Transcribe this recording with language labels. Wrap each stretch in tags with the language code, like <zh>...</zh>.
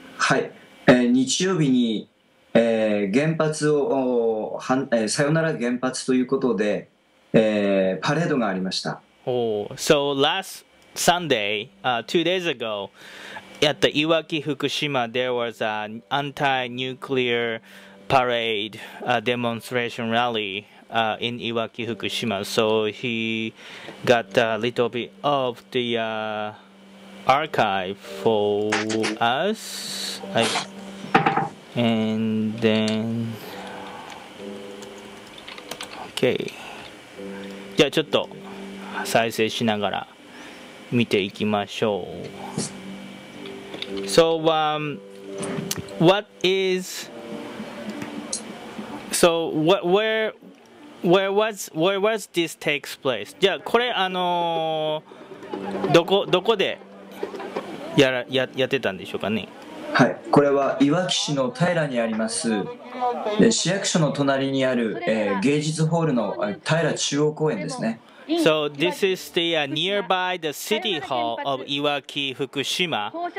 <ja>はい、日曜日に、原発をはん、さよなら原発ということで、パレードがありました。</ja> <en>So last Sunday, 2 days ago, at the Iwaki, Fukushima, there was an anti-nuclear parade, demonstration rally in Iwaki, Fukushima. So he got a little bit of the archive for us. And then... Okay.</en> <ja>じゃあちょっと再生しながら見ていきましょう。</ja> <en>So, where was this takes place?</en> <ja>じゃあこれどこでやってたんでしょうかね。はい、これはいわき市の平にあります市役所の隣にある、芸術ホールの平中央公園ですね。</ja> <en>So this is the nearby the city hall of Iwaki, Fukushima.</en>